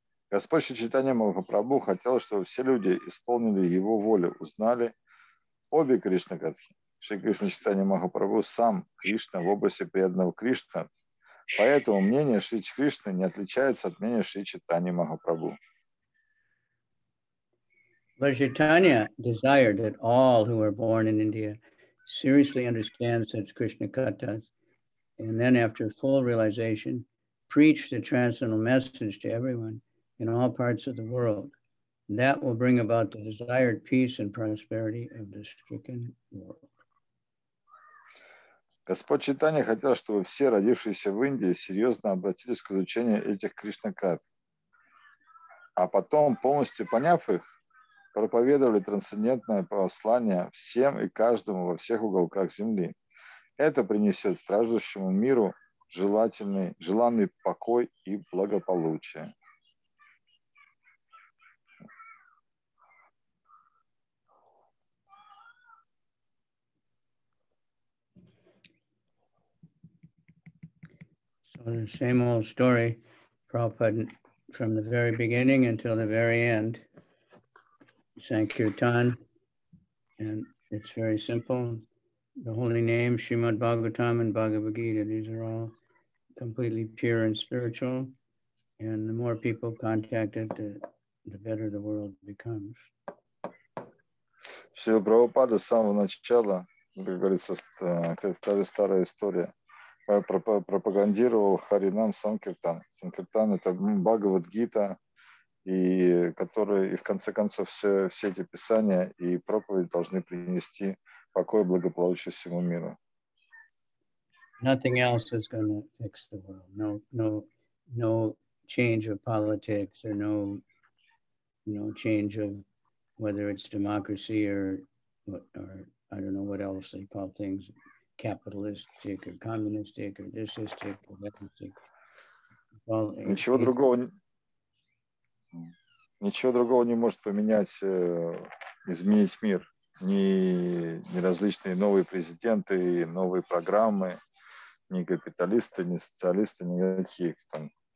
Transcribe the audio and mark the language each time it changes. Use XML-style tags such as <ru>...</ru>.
<ru>Господь Шри Чайтанья Махапрабху хотел, чтобы все люди исполнили его волю, узнали обе Кришна Катхи. Шри Кришна Чайтанья Махапрабху сам Кришна в образе преданного Кришна. Поэтому мнение Шри Кришны не отличается от мнения Шри Чайтанья Махапрабху.</ru> <en>Шри Чайтанья desired that all who were born in India seriously understand such Krishna Kathas, and then after full realization, preach the transcendental message to everyone in all parts of the world. That will bring about the desired peace and prosperity of the stricken world.</en> <ru>Господь Чайтанья хотел, чтобы все, родившиеся в Индии, серьезно обратились к изучению этих Кришна Кат, а потом, полностью поняв их, проповедовали трансцендентное послание всем и каждому во всех уголках земли. Это принесет страждущему миру желанный покой и благополучие.</ru> <en>So the same old story, Prabhupada, from the very beginning until the very end. Sankirtan, and it's very simple. The holy name, Srimad Bhagavatam and Bhagavad Gita, these are all completely pure and spiritual. And the more people contact it, the better the world becomes.</en> <ru>Шрила Прабхупада с самого начала, как говорится, старая история, пропагандировал Харинам Санкиртан. Санкиртан – это Бхагавад Гита, и которые, и в конце концов, все эти писания и проповеди должны принести покой и благополучие всему миру.</ru> <en>Nothing else is going to fix the world. No change of politics, or no change of whether it's democracy or I don't know what else they call things, capitalistic or communistic or thisistic or thatistic.</en> <ru>Well, ничего другого. Ничего другого не может изменить мир. Ни различные новые президенты, новые программы, ни капиталисты, ни социалисты, ни каких там.</ru>